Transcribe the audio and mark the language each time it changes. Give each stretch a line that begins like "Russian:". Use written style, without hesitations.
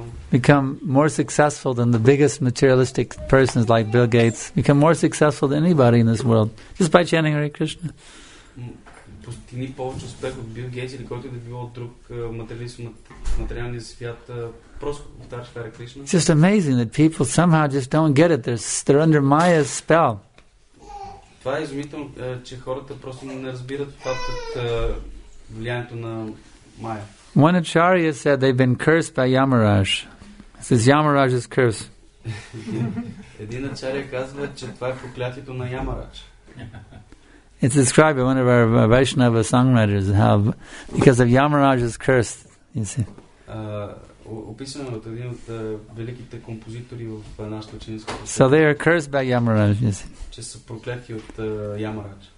English: Become more successful than the biggest materialistic persons like Bill Gates. Become more successful than anybody in this world just by chanting Hare Krishna.
Bulgarian: Постигни повече успех от Бил Гейтс или който да било друг материалист в материалния свят. Просто повтаряш Хари Кришна.
English: It's just amazing that people somehow just don't get it. They're under Maya's spell.
Bulgarian: Това е изумително, че хората просто не разбират фактът влиянието на Майя.
English: One Acharya said they've been cursed by Yamaraj. This is Yamaraj's curse.
Bulgarian: Един Acharya казва, че това е проклятието на Yamaraj.
English: It's described by one of our Vaishnava songwriters how, because of Yamaraj's curse, you see.
Bulgarian: Описано от един от великите композитори в нашата ученическа.
English: So they are cursed by Yamaraj, you see.
Bulgarian: Че са проклети от Yamaraj.